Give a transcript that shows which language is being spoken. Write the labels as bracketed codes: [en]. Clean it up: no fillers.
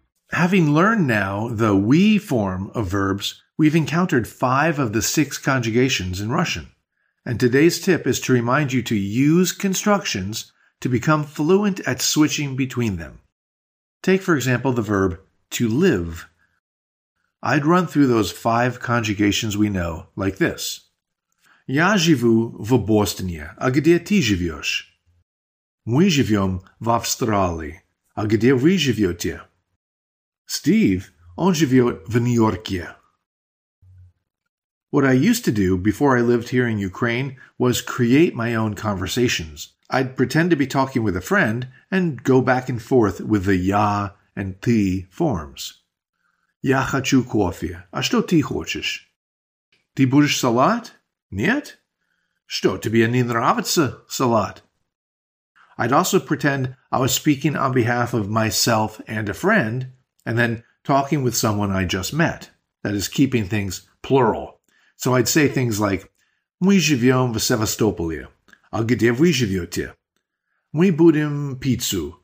[en] Having learned now the we form of verbs, we've encountered 5 of the 6 conjugations in Russian. And today's tip is to remind you to use constructions to become fluent at switching between them. Take, for example, the verb to live. I'd run through those five conjugations we know like this. [ru] Я живу в Бостоне, а где ты живешь? Мы живем в Австралии, а где вы живете? [en] Steve, [ru] он живет в Нью-Йорке. [en] What I used to do before I lived here in Ukraine was create my own conversations. I'd pretend to be talking with a friend and go back and forth with the я and ты forms. [ru] Я хочу кофе. А что ты хочешь? Ты будешь салат? Нет? Что, тебе не нравится салат? [en] I'd also pretend I was speaking on behalf of myself and a friend, and then talking with someone I just met. That is, keeping things plural. So I'd say things like, [ru] Мы живем в Севастополе. А где вы живете? Мы будем пиццу.